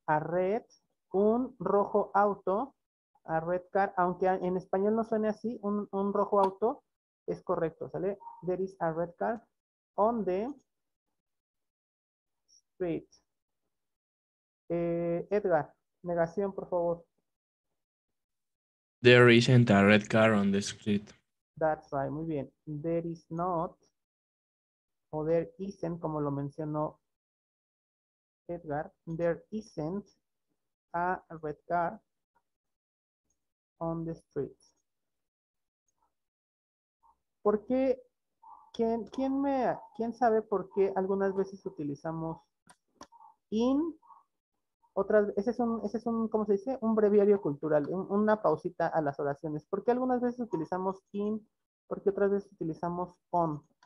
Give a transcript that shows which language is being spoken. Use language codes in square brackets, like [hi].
[en] A red, [es] un rojo auto, [en] a red car, [es] aunque en español no suene así, un rojo auto es correcto, ¿sale? [en] There is a red car on the street. [es] Edgar, negación, por favor. [en] There isn't a red car on the street. That's right, [es] muy bien. [en] There is not, o there isn't, [es] como lo mencionó Edgar, [en] there isn't a red car on the street. [es] ¿Por qué? ¿Quién sabe por qué algunas veces utilizamos in? Otras, ese es un, ¿cómo se dice? Un breviario cultural, una pausita a las oraciones. ¿Por qué algunas veces utilizamos in? ¿Por qué otras veces utilizamos on?